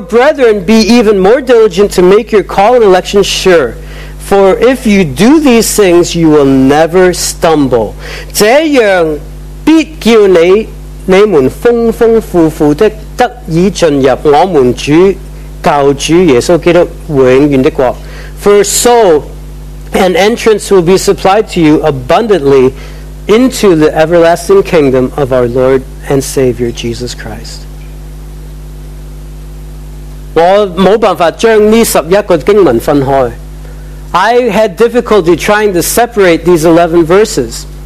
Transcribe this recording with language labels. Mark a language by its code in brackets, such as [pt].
[en] brethren, be even more diligent to make your call and election sure. For if you do these things, you will never stumble. [zh] 这样必叫你们丰丰富富的得以进入我们主救主耶稣基督永远的国。 [en] For so, an entrance will be supplied to you abundantly into the everlasting kingdom of our Lord and Savior Jesus Christ. [zh] 我没办法将这十一个经文分开。 [en] I had difficulty trying to separate these 11 verses.